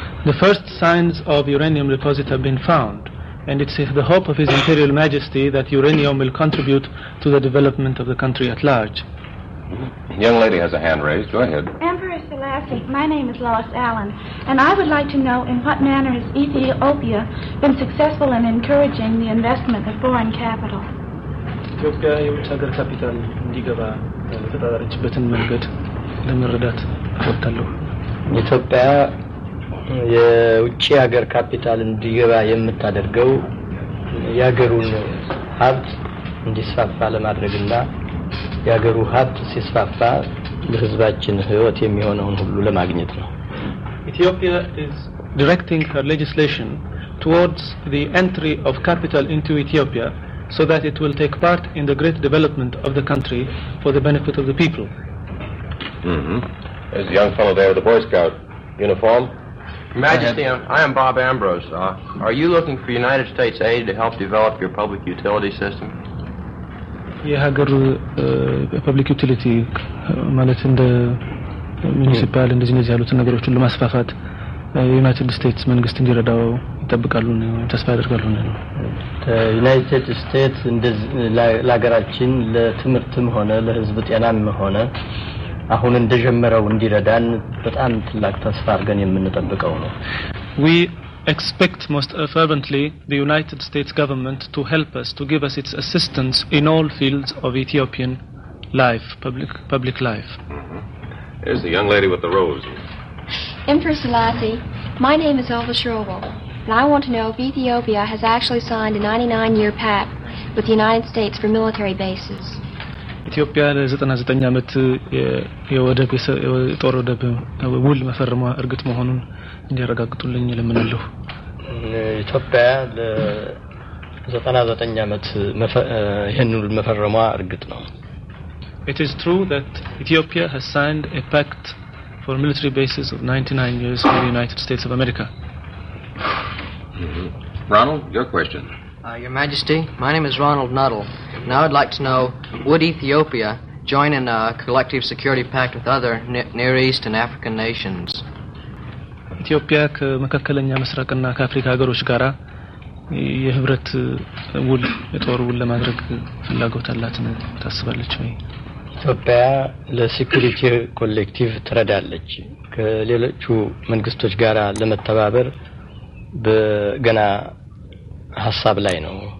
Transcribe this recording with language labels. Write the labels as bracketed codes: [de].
[en] The first signs of uranium deposit have been found, and it's the hope of His Imperial Majesty that uranium will contribute to the development of the country at large. Young lady has a hand raised. Go ahead. Emperor Selassie, my name is Lois Allen, and I would like to know in what manner has Ethiopia been successful in encouraging the investment of foreign capital? [am] Ethiopia የውጭ ሀገር ካፒታል እንዲገባ ተጠራጣሪችበትን መንገድ ለመረዳት አጥታለሁ። ኢትዮጵያ የውጭ ሀገር ካፒታል እንዲገባ የምታደርገው ያገሩን ሀብት እንዲስፋፋ ለማድረግና ያገሩ ሀብት ሲስፋፋ ለህዝባችን ህይወት የሚሆነውን ሁሉ ለማግኘት ነው። [en] Ethiopia is directing her legislation towards the entry of capital into Ethiopia so that it will take part in the great development of the country for the benefit of the people. As the young fellow there with the Boy Scout uniform. Majesty, I am Bob Ambrose. Are you looking for United States aid to help develop your public utility system? [am] የሀገር ፐብሊክ ዩቲሊቲ ማለት እንደ ሙኒሲፓል እንደዚህ ያሉት ነገሮችን ለማስፋፋት ዩናይትድ ስቴትስ መንግስት እንዲረዳው ይጠብቃሉ ነው ተስፋ አድርጋለሁ ነው። ዩናይትድ ስቴትስ እንደዚህ ለሀገራችን ለትምህርትም ሆነ ለህዝብ ጤናም ሆነ አሁን እንደጀመረው እንዲረዳን በጣም ትላቅ ተስፋ አድርገን የምንጠብቀው ነው። [en] We expect most fervently the United States government to help us, to give us its assistance in all fields of Ethiopian life, public life. Mm-hmm. Here's the young lady with the rose. Emperor Selassie, my name is Olva Shrovel, and I want to know if Ethiopia has actually signed a 99-year pact with the United States for military bases. Ethiopia has [am] 99 ዓመት የጦር ወደብ ውል መፈረሙ እርግጥ መሆኑን እንዲያረጋግጡልኝ ለምንለው። ኢትዮጵያ ለ 99 ዓመት ይሄን ውል መፈረሙ እርግጥ ነው። [en] It is true that Ethiopia has signed a pact for military bases of 99 years with the United States of America. Ronald, your question. Your Majesty, my name is Ronald Nuttall. Now I'd like to know, would Ethiopia join in a collective security pact with other Near East and African nations? [am] Ethiopia ከመከከለኛ ምስራቅና ከአፍሪካ ሀገሮች ጋራ የህብረት ውል የጦር ውል ለማድረግ ፍላጎት አላት ተስባለች ወይ? Ethiopia ለሴኩሪቲ ኮሌክቲቭ ትረዳለች ከሌሎቹ መንግስቶች ጋራ ለመተባበር በገና ሐሳብ ላይ ነው።